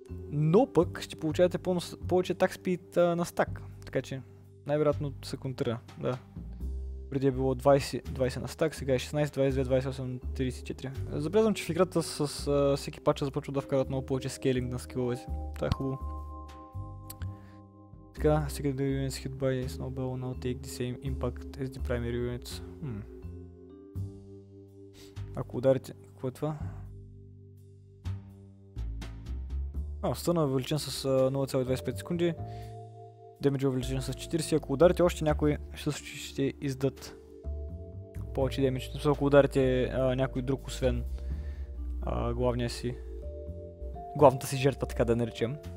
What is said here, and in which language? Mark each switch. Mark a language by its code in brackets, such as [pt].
[bg] Но пък ще получавате повече attack speed на стак, така че най-вероятно се контрира, да. Преди е било 20 на стак, сега е 16, 22, 28, 34. Забелязвам, че в играта с всеки патча започва да вкарат много повече скейлинг на скиловете. Това е хубаво. [en] Така, Secondary Units hit by Snowball now take the same impact as the primary units. [bg] Ако ударите, какво е това? Стънът е увеличен с 0,25 секунди. Демидж е увеличен с 40, ако ударите още някой, ще издат повече демидж. Тобто ако ударите някой друг, освен главния си, главната си жертва, така да наричам.